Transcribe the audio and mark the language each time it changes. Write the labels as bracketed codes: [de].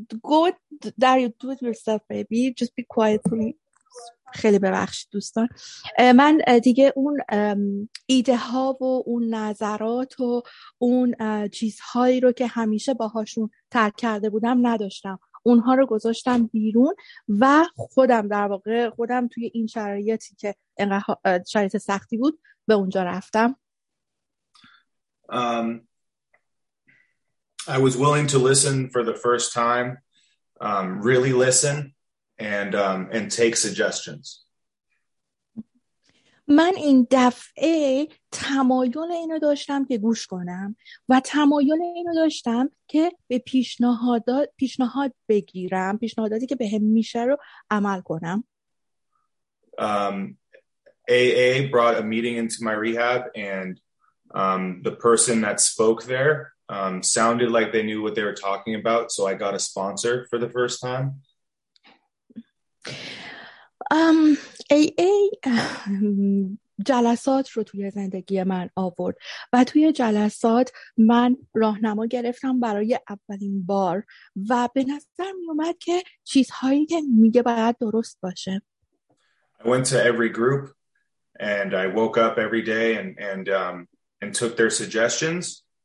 [en] Go, Dario, do it yourself, baby. Just be quiet, please. [fa] خیلی ببخشید دوستان. من دیگه اون ایده ها و اون نظرات و اون چیزهایی رو که همیشه باهاشون ترک کرده بودم نداشتم. اونها رو گذاشتم بیرون و خودم در واقع خودم توی این شرایطی که شرایط سختی بود به اونجا رفتم. [en] I was willing to listen for the first time, really listen and take suggestions. [fa] من این دفعه تمایل اینو داشتم که گوش کنم و تمایل اینو داشتم که به پیشنهاد بگیرم، پیشنهاداتی که بهم میشه رو عمل کنم. [en] AA brought a meeting into my rehab and the person that spoke there sounded like they knew what they were talking about, so I got a sponsor for the first time. [fa] AA جلسات رو توی زندگی من آورد و توی جلسات من راهنما گرفتم برای اولین بار و به نظر می اومد که چیزهایی که میگه باید درست باشه. [en] I went to every group and I woke up every day and took their suggestions.